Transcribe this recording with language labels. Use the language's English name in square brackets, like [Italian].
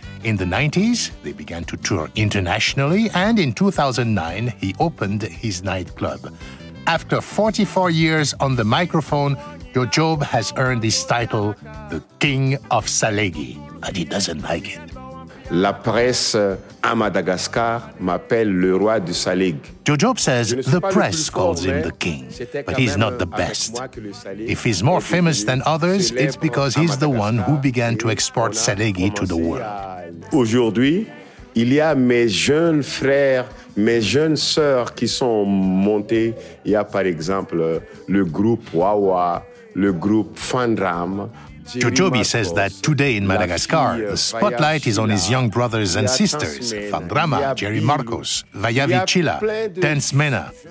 [English] In the 90s, they began to tour internationally, and in 2009, he opened his nightclub. After 44 years on the microphone, Jojobi has earned his title, the King of Salegi, but he doesn't like it. [French] La presse à Madagascar m'appelle le roi du Salig. [English] Jojobi says the press calls him the king, but he's not the best. If he's more famous than others, it's because he's the one who began to export Salegi to the world. [French] Aujourd'hui, il y a mes jeunes frères, mes jeunes sœurs qui sont montés. Il y a par exemple le groupe Wawa, le groupe Fandram. [English] Jojobi says that today in Madagascar, the spotlight is on his young brothers and sisters, Fandrama, Jerry Marcos, Vayavi Chila, Dance Mena.